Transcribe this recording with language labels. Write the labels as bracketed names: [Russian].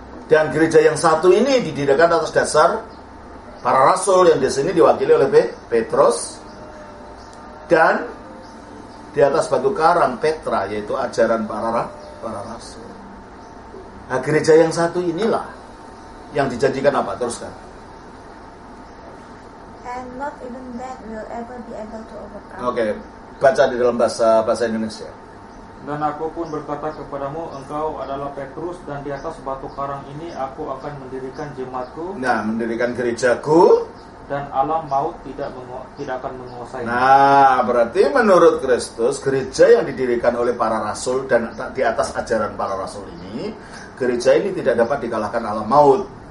[Indonesian] Dan gereja yang satu ini didirikan atas dasar para rasul yang di sini diwakili oleh Petrus, dan di atas batu karang Petra, yaitu ajaran para rasul. Nah, gereja yang satu inilah yang dijanjikan apa? Teruskan. [English] Not even that will ever be able to overcome. [Indonesian] Okay, baca di dalam bahasa Indonesia. Dan aku pun berkata kepadamu, engkau adalah Petrus, dan di atas batu karang ini aku akan mendirikan jemaatku. Nah, mendirikan gerejaku. Dan alam maut tidak akan menguasai. Nah, berarti menurut Kristus, gereja yang didirikan oleh para rasul dan di atas ajaran para rasul ini, gereja ini tidak dapat dikalahkan alam maut.